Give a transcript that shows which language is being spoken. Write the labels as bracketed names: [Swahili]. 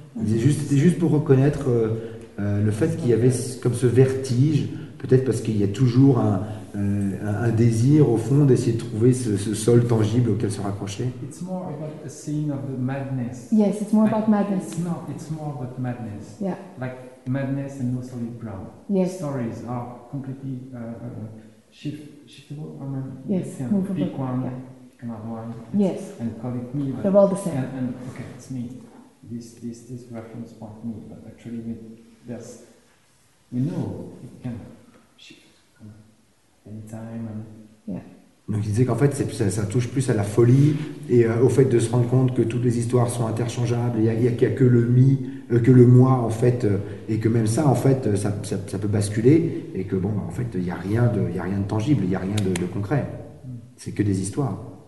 [French] C'était juste pour reconnaître le fait qu'il y avait comme ce vertige, peut-être parce qu'il y a toujours un désir au fond d'essayer de trouver ce sol tangible auquel se raccrocher. [English] It's more about a scene of the madness. Yes, it's more about madness. No, it's more about madness. Yeah. Like madness and no solid ground. Yes. Stories are completely shiftable. I mean, yes. Pick one, another one. Yes. And call it me. But they're all the same. And okay, it's me. This reference point me, but actually there's, you know, it can shift anytime. [French] Donc il disait qu'en fait ça touche plus à la folie et au fait de se rendre compte que toutes les histoires sont interchangeables, il y a que le mi, que le moi en fait, et que même ça en fait ça peut basculer, et que bon en fait il y a rien de tangible, il y a rien de concret, c'est que des histoires.